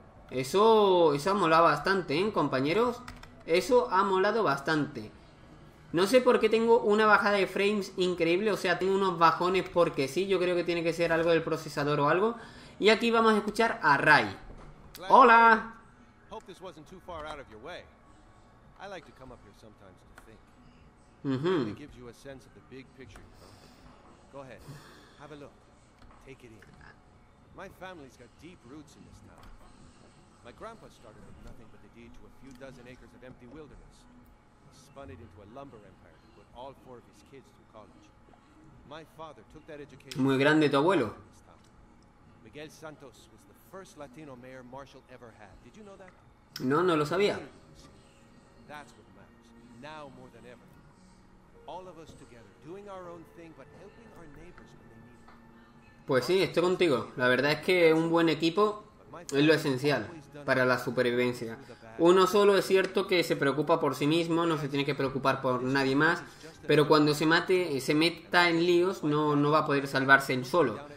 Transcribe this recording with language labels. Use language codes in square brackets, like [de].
[es] Eso ha molado bastante, ¿eh, compañeros? Eso ha molado bastante. No sé por qué tengo una bajada de frames increíble. O sea, tengo unos bajones porque sí. Yo creo que tiene que ser algo del procesador o algo. Y aquí vamos a escuchar a Ray. Hola. [en] Hope this wasn't too far out of your way. I like to come up here sometimes to think. It gives you a sense of the big picture. Go ahead. Have a look. Take it in. My family's got deep roots in this town. My grandpa started with nothing but the deed to a few dozen acres of empty wilderness. He spun it into a lumber empire to put all four of his kids through college. My father took that education. [es] Muy grande tu abuelo. [en] Miguel Santos was the first Latino mayor Marshall ever had. Did you know that? [es] No lo sabía. [en] That's what matters. Now more than ever. All of us together, doing our own thing, but helping our neighbors when they need it. [es] Pues sí, estoy contigo. La verdad es que un buen equipo es lo esencial para la supervivencia. Uno solo es cierto que se preocupa por sí mismo, no se tiene que preocupar por nadie más, pero cuando se meta en líos, no va a poder salvarse él solo.